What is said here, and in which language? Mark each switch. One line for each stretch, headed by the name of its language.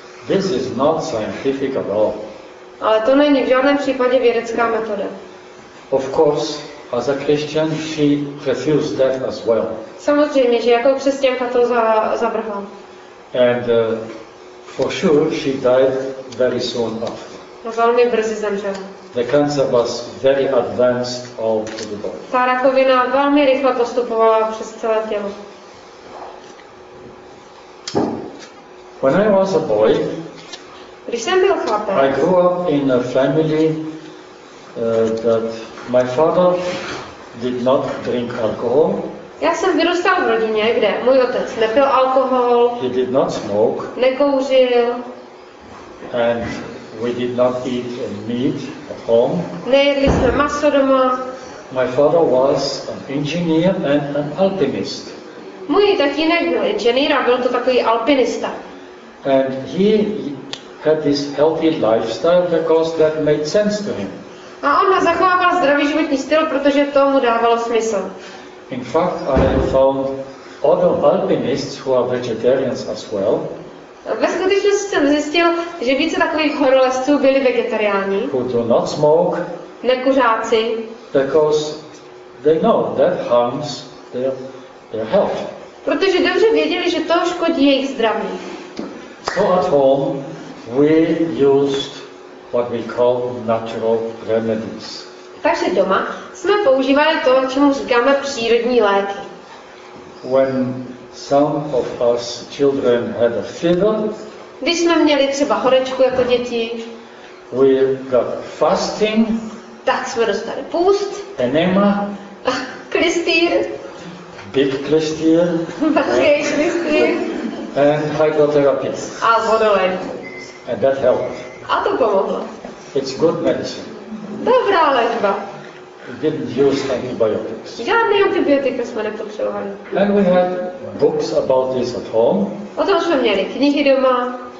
English: This is not scientific at all.
Czech: Ale to není v žádném případě vědecká metoda.
English: Of course, as a Christian, she refused that as well.
Czech: Samozřejmě, že jako křesťanka to zavrhla.
English: And for sure, she died very soon after.
Czech: Velmi brzy zemřela.
English: The cancer was very advanced all through the body.
Czech: Ta rakovina velmi rychle postupovala přes celé tělo.
English: When I was a boy,
Czech: když jsem byl chlapec,
English: I grew up in a family that my father did not drink alcohol.
Czech: Já jsem vyrůstal v rodině, kde můj otec nepil alkohol.
English: He did not smoke.
Czech: Nekouřil.
English: And we did not eat meat at home.
Czech: Nejedli jsme maso doma.
English: My father was an engineer and an alpinist.
Czech: Můj tatínek byl inženýr a byl to takový alpinista.
English: And he had this healthy lifestyle because that made sense to him.
Czech: A on zachovával zdravý životní styl, protože to mu dávalo smysl.
English: In fact, I found other alpinists who are vegetarians as well.
Czech: Ve skutečnosti jsem zjistil, že více takových horolezců byli vegetariáni.
English: Who do not smoke.
Czech: Nekuřáci.
English: Because they know that harms their health.
Czech: Protože dobře věděli, že to škodí jejich zdraví.
English: So at home we used what we call natural remedies.
Czech: Takže doma jsme používali to, čemu říkáme přírodní léky.
English: When some of us children had a fever,
Czech: když jsme měli třeba horečku jako děti,
English: we got fasting,
Czech: tak jsme dostali půst,
English: enema,
Czech: klistýr,
English: big klistýr,
Czech: velký klistýr,
English: and hydrotherapy.
Czech: A vodolej.
English: And that helped.
Czech: A to pomohlo.
English: It's good medicine.
Czech: Dobrá léčba.
English: We didn't use antibiotics.
Czech: Žádné antibiotika jsme nepotřebovali.
English: And we had books about this at home.
Czech: O tom jsme měli knihy doma.